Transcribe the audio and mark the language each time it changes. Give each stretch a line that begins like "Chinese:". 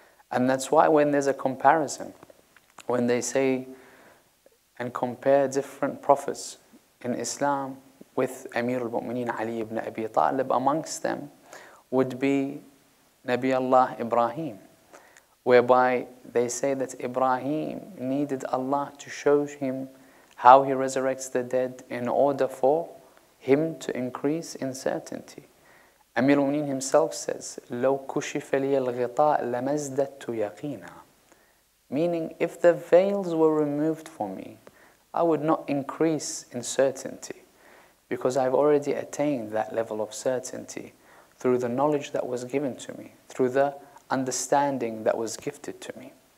English: And that's why when there's a comparison, when they say and compare different prophets in Islam with Amir al-Mu'mineen Ali ibn Abi Talib, amongst them would be Nabi Allah Ibrahim, whereby they say that Ibrahim needed Allah to show him how he resurrects the dead in order for him to increase in certainty. Amir al-Mu'mineen himself says,
Arabic: لَوْ كُشِفَ لِيَ الْغِطَاءَ لَمَزْدَتُ يَقِينًا.
English: Meaning, if the veils were removed for me, I would not increase in certainty, because I've already attained that level of certainty through the knowledge that was given to me, through the understanding that was gifted to me.